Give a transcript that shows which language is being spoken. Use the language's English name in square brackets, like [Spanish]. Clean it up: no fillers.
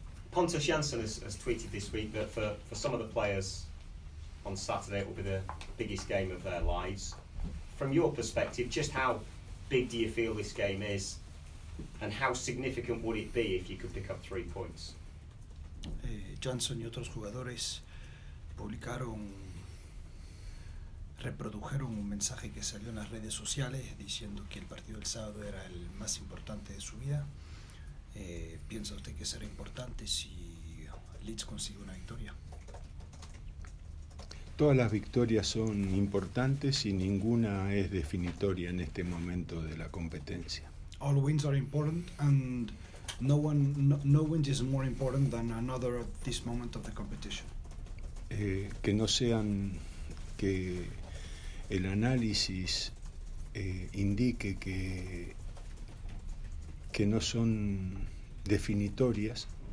[English] Pontus Janssen has tweeted this week that for some of the players on Saturday it will be the biggest game of their lives. From your perspective, just how big do you feel this game is, and how significant would it be if you could pick up 3 points? [Spanish] Janssen y otros jugadores publicaron, reprodujeron un mensaje que salió en las redes sociales diciendo que el partido del sábado era el más importante de su vida. ¿Piensa usted que será importante si Leeds consigue una victoria? Todas las victorias son importantes y ninguna es definitoria en este momento de la competencia. [English] All wins are important and no win is more important than another at this moment of the competition. [Spanish] Que no sean que el análisis indique que no son definitorias.